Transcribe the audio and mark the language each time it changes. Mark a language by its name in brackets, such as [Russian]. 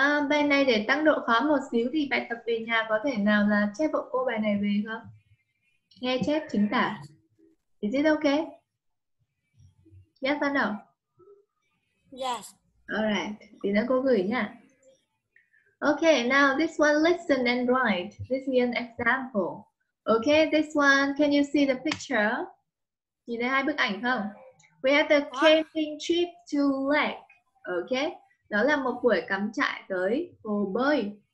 [Vietnamese] Bài này để tăng độ khó một xíu thì bài tập về nhà có thể nào là chép hộ cô bài này về không? Nghe chép chính tả. [English] Is it okay? Yes or no? Yes. [Vietnamese] Alright, thì đã cô gửi nha. [English] Okay, now this one, listen and write. This is an example. Okay, this one, can you see the picture? [Vietnamese] Nhìn thấy hai bức ảnh không? [English] We have the camping trip to lake. [Vietnamese] Okay, đó là một buổi cắm trại tới hồ bơi.